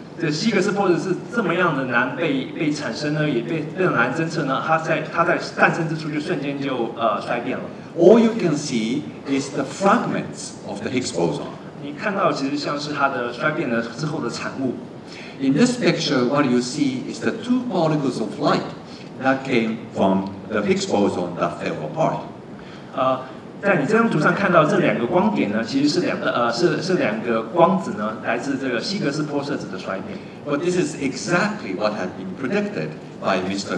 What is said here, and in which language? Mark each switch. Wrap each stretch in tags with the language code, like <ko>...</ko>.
<zh>希格斯波质是这么样的难被产生呢，也被难侦测呢，它在诞生之初就瞬间就衰变了。</zh> <en>All you can see is the fragments of the Higgs boson.</en> <zh>你看到其实像是它的衰变的之后的产物。</zh> <en>In this picture, what you see is the two particles of light that came from the Higgs boson that fell apart.</en> <zh>在你这张图上看到这两个光点呢，其实是两个光子呢，来自这个希格斯波色子的衰变。</zh> <en>But this is exactly what had been predicted by Mr.</en>